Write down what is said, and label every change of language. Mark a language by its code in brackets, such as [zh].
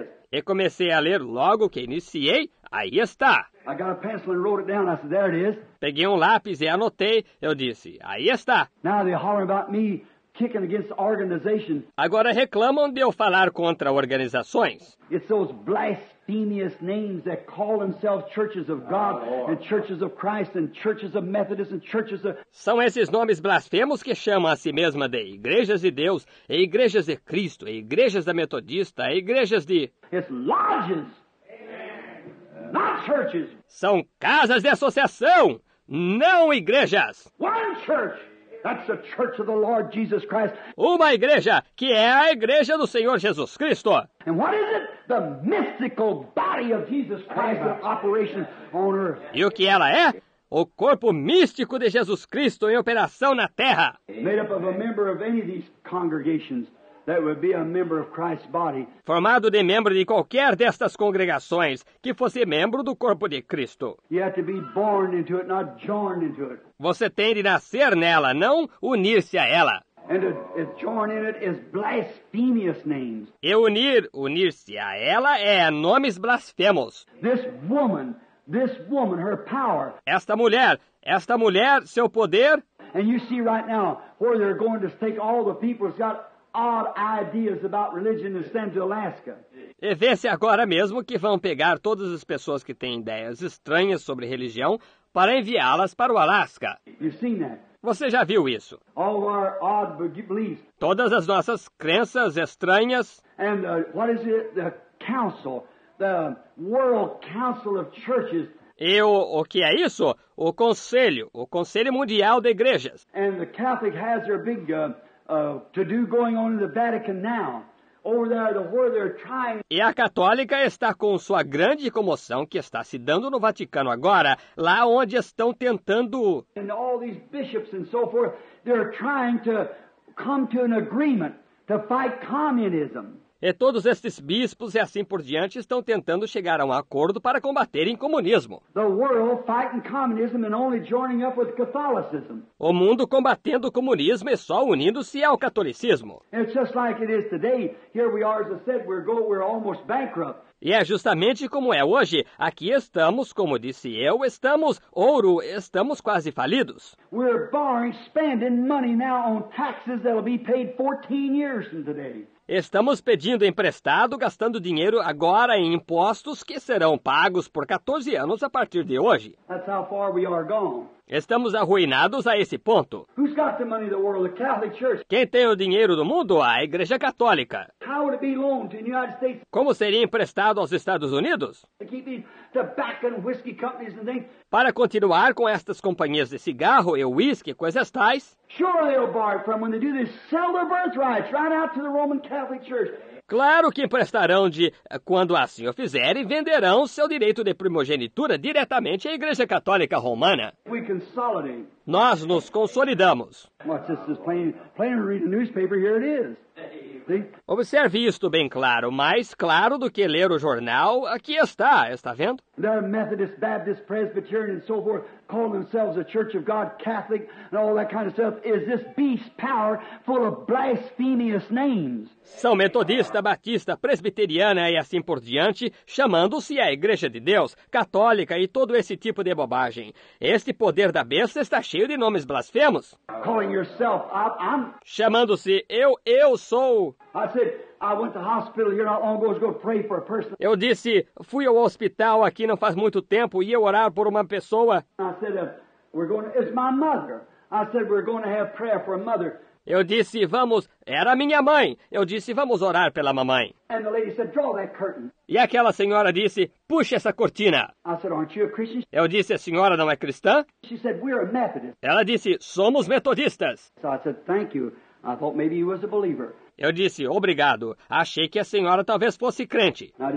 [pt] E comecei a ler logo que iniciei, aí está. [en] I got a pencil and wrote it down. I said, there it is. [pt] Peguei um lápis e anotei, eu disse, aí está. [en] Now they're hollering about me. Kicking against organization. [pt] Agora reclamam de eu falar contra organizações. [en] It's those blasphemous names that call themselves churches of God and churches of Christ and churches of Methodists and churches of... [pt] São esses nomes blasfemos que chamam a si mesma de Igrejas de Deus, e Igrejas de Cristo, e Igrejas da Metodista, e Igrejas de... [en] It's lodges, not churches. [pt] São casas de associação, não igrejas. [en] One church. That's the church of the Lord Jesus Christ. [pt] Uma igreja, que é a igreja do Senhor Jesus Cristo. [en] And what is it? The mystical body of Jesus Christ in operation on earth. [pt] E o que ela é? O corpo místico de Jesus Cristo em operação na terra. [en] Made up of a member of any of these congregations that would be a member of Christ's body. [pt] Formado de membro de qualquer destas congregações que fosse membro do corpo de Cristo. [en] You have to be born into it, not joined into it. [pt] Você tem de nascer nela, não unir-se a ela. [en] And to join in it is blasphemous names. [pt] E unir-se a ela é nomes blasfemos. [en] This woman, her power. [pt] Esta mulher, seu poder. [en] And you see right now where they're going to take all the people who's got odd ideas about religion and send to Alaska. [pt] E vê-se agora mesmo que vão pegar todas as pessoas que têm ideias estranhas sobre religião para enviá-las para o Alasca. Você já viu isso? [en] All our odd beliefs. [pt] Todas as nossas crenças estranhas. [en] And what is it? The council the World Council of Churches. [pt] E o que é isso? O Conselho Mundial de Igrejas. [en] And the Catholic has their big to-do going on in the Vatican now. Over there, where they're trying. [pt] E a Católica está com sua grande comoção que está se dando no Vaticano agora, lá onde estão tentando... [en] And all these bishops and so forth, they're trying to come to an agreement to fight communism. [pt] E todos estes bispos e assim por diante estão tentando chegar a um acordo para combaterem comunismo. [en] The world fighting communism and only joining up with Catholicism. [pt] O mundo combatendo o comunismo e só unindo-se ao catolicismo. [en] It's just like it is today. Here we are, as I said, we're almost bankrupt. [pt] E é justamente como é hoje. Aqui estamos, como disse eu, estamos ouro, estamos quase falidos. [en] We're borrowing, spending money now on taxes that'll be paid 14 years from today. [pt] Estamos pedindo emprestado, gastando dinheiro agora em impostos que serão pagos por 14 anos a partir de hoje. [en] That's how far we are gone. [pt] Estamos arruinados a esse ponto. [en] Who's got the money of the world? The Catholic Church. [pt] Quem tem o dinheiro do mundo? A Igreja Católica. [en] How would it be loaned to the United States? [pt] Como seria emprestado aos Estados Unidos? [en] To keep these tobacco and whiskey companies and things. [pt] Para continuar com estas companhias de cigarro e whisky, coisas tais. [en] Sure they'll borrow from when they do this, sell their birthrights right out to the Roman Catholic Church. [pt] Claro que emprestarão de, quando assim o fizerem, venderão seu direito de primogenitura diretamente à Igreja Católica Romana. [en] We consolidate. [pt] Nós nos consolidamos. [en] Watch this plain to read the newspaper, here it is. See? [pt] Observe isto bem claro, mais claro do que ler o jornal, aqui está vendo? [en] The Methodist, Baptist, Presbyterian and so forth, call themselves a Church of God, Catholic, and all that kind of stuff, is this beast power full of blasphemous names. [pt] São metodista, batista, presbiteriana e assim por diante, chamando-se a Igreja de Deus, católica e todo esse tipo de bobagem. Este poder da besta está cheio de nomes blasfemos. [en] Calling yourself, I'm... [pt] Chamando-se eu sou... [en] I said, I went to hospital here not long ago to go pray for a person. [pt] Eu disse, fui ao hospital aqui não faz muito tempo e ia orar por uma pessoa. [en] I said, we're going to, it's my mother. I said, we're going to have prayer for a mother. [pt] Eu disse, vamos, era minha mãe. Eu disse, vamos orar pela mamãe. [en] And the lady said, draw that curtain. [pt] E aquela senhora disse, puxa essa cortina. [en] I said, aren't you a Christian? [pt] Eu disse, a senhora não é cristã? [en] She said, we're a Methodist. [pt] Ela disse, somos metodistas. [en] So I said, thank you. I thought maybe you was a believer. [pt] Eu disse, obrigado. Achei que a senhora talvez fosse crente.